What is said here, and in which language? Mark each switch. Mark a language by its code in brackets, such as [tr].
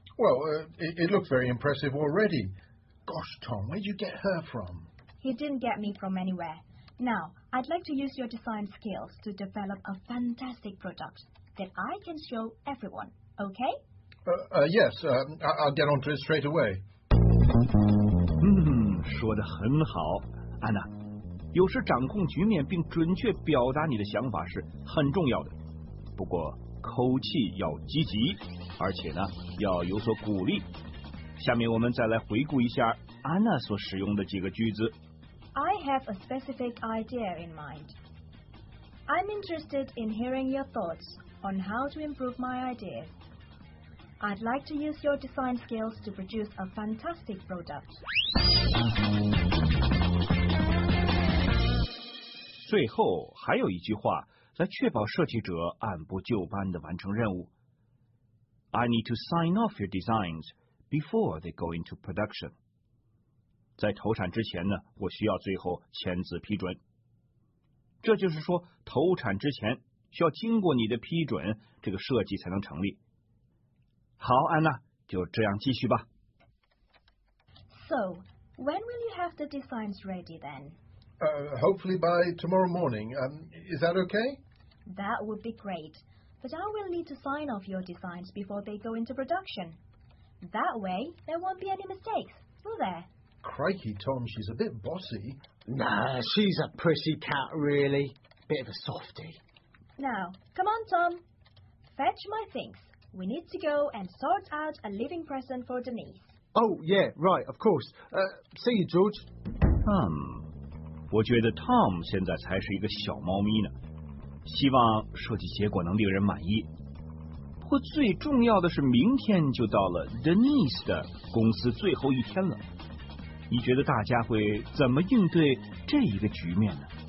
[en] Well, it looks very impressive already. Gosh, Tom, where'd you get her from? He didn't get me from anywhere. Now, I'd like to use your design skills to develop a fantastic product that I can show everyone, okay? I'll get on to it straight away. [zh] 说得很好，安娜。有时掌控局面并准确表达你的想法是很重要的。不过，口气要积极，而且呢要有所鼓励。下面我们再来回顾一下安娜所使用的几个句子。 [en] I have a specific idea in mind. I'm interested in hearing your thoughts on how to improve my idea. I'd like to use your design skills to produce a fantastic product. [zh] 最后还有一句话来确保设计者按部就班的完成任务。 [en] I need to sign off your designsBefore they go into production. [zh] 在投产之前呢，我需要最后签字批准。这就是说，投产之前需要经过你的批准，这个设计才能成立。好，安娜，就这样继续吧。 [en] So, when will you have the designs ready then? Hopefully by tomorrow morning. Is that okay? That would be great. But I will need to sign off your designs before they go into production. That way, there won't be any mistakes, will there? Crikey, Tom, she's a bit bossy. Nah, she's a prissy cat, really. Bit of a softy. Now, come on, Tom. Fetch my things. We need to go and sort out a living present for Denise. Oh, yeah, right, of course. See you, George. [zh] 我觉得 Tom 现在才是一个小猫咪呢。希望设计结果能令人满意。不过最重要的是，明天就到了 Denise 的公司最后一天了。你觉得大家会怎么应对这一个局面呢？